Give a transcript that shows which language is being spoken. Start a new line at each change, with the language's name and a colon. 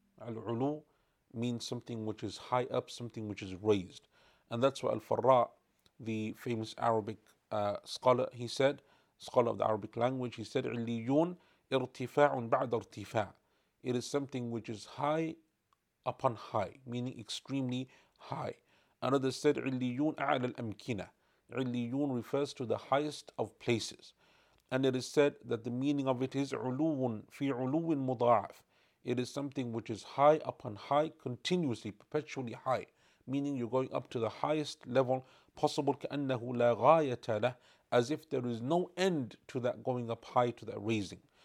English: Al-ulu means something which is high up, something which is raised. And that's what Al-Farra, the famous Arabic scholar, he said, scholar of the Arabic language, he said,
Arabic: عِلِّيُّون إِرْتِفَاعٌ بَعْدَ إِرْتِفَاعٌ.
English: It is something which is high upon high, meaning extremely high. Another said,
Arabic: عِلِّيُّون أَعْلَى الْأَمْكِنَةِ.
English: عِلِّيُّون refers to the highest of places. And it is said that the meaning of it is
Arabic: عُلُوٌ فِي عُلُوٍ مُضَاعَفٍ.
English: It is something which is high upon high, continuously, perpetually high, meaning you're going up to the highest level possible,
Arabic: كَأَنَّهُ لَا غَايَةَ لَهُ,
English: as if there is no end to that going up high, to that raising.